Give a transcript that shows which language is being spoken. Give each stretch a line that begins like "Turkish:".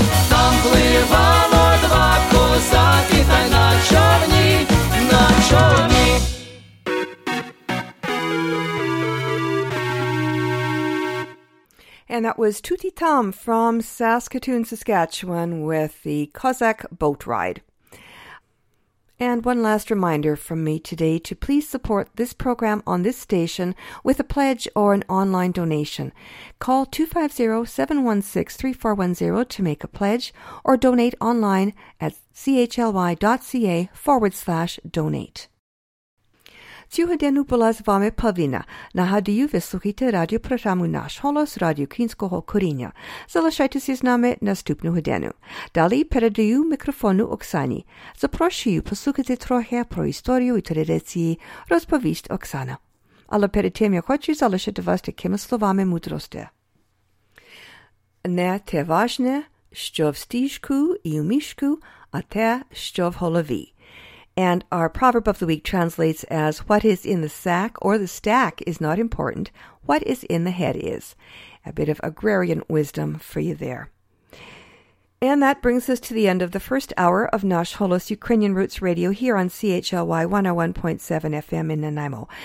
Ukrainian: Там пливало два козаки, та й на чорні, на чорні.
English: And that was Tutti Tam from Saskatoon, Saskatchewan, with the Cossack Boat Ride. And one last reminder from me today to please support this program on this station with a pledge or an online donation. Call 250-716-3410 to make a pledge or donate online at chly.ca/donate.
Ukrainian: Цього дня була з вами Павіна. Нагадую, ви слухаєте радіопрограму «Наш голос» радіо Кінського коріння. Залишайтеся з нами наступного дня. Далі передаю мікрофону Оксані. Запрошую послухати трохи про історію і традиції розповість Оксана. Але перед тим я хочу залишити вас такими словами мудрості. Не те важне, що в стіжку і в мішку, а те, що в голові.
English: And our proverb of the week translates as, what is in the sack or the stack is not important, what is in the head is. A bit of agrarian wisdom for you there. And that brings us to the end of the first hour of Nash Holos Ukrainian Roots Radio here on CHLY 101.7 FM in Nanaimo.